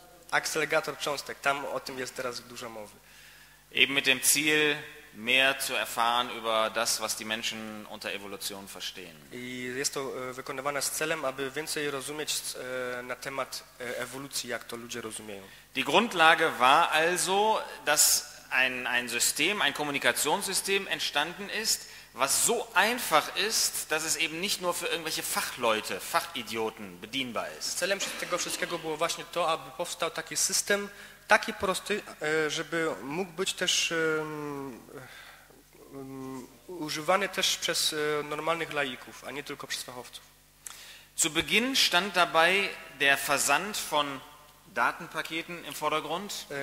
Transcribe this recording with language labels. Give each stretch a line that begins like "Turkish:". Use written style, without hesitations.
Polish: Akcelerator cząstek, tam o tym jest teraz dużo mowy.
German: Eben mit dem Ziel, mehr zu erfahren über das, was die Menschen unter Evolution verstehen.
Polish: I jest to wykonywane z celem, aby więcej rozumieć na temat ewolucji, jak to ludzie rozumieją.
German: Die Grundlage war also, dass ein System, ein Kommunikationssystem entstanden ist, was so einfach ist, dass es eben nicht nur für irgendwelche Fachleute, Fachidioten bedienbar ist.
Polish: Celem tego wszystkiego było właśnie to, aby powstał taki system, taki prosty, żeby mógł być też używany też przez normalnych laików, a nie tylko przez fachowców.
German: Zu Beginn stand dabei der Versand von Datenpaketen im Vordergrund.